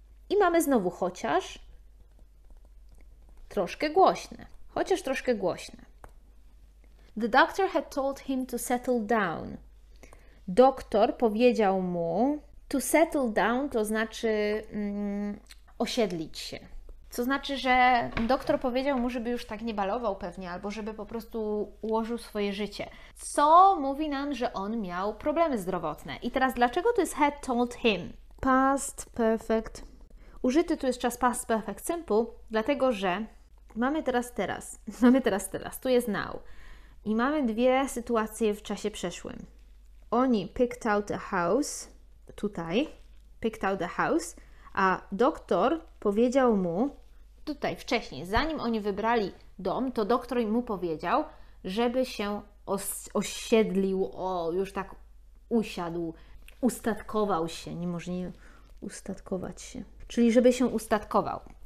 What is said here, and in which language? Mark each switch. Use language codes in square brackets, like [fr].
[pl] I mamy znowu chociaż troszkę głośne, chociaż troszkę głośne. [en] The doctor had told him to settle down. [pl] Doktor powiedział mu, [en] to settle down [pl] to znaczy osiedlić się. Co znaczy, że doktor powiedział mu, żeby już tak nie balował pewnie, albo żeby po prostu ułożył swoje życie. Co mówi nam, że on miał problemy zdrowotne. I teraz dlaczego to jest [en] had told him? Past perfect. [pl] Użyty tu jest czas past perfect simple, dlatego że mamy teraz, tu jest now. I mamy dwie sytuacje w czasie przeszłym. Oni [en] picked out a house, [pl] tutaj, picked out a house, a doktor powiedział mu, tutaj wcześniej, zanim oni wybrali dom, to doktor mu powiedział, żeby się osiedlił, już tak usiadł, ustatkował się, nie może nie ustatkować się, czyli żeby się ustatkował.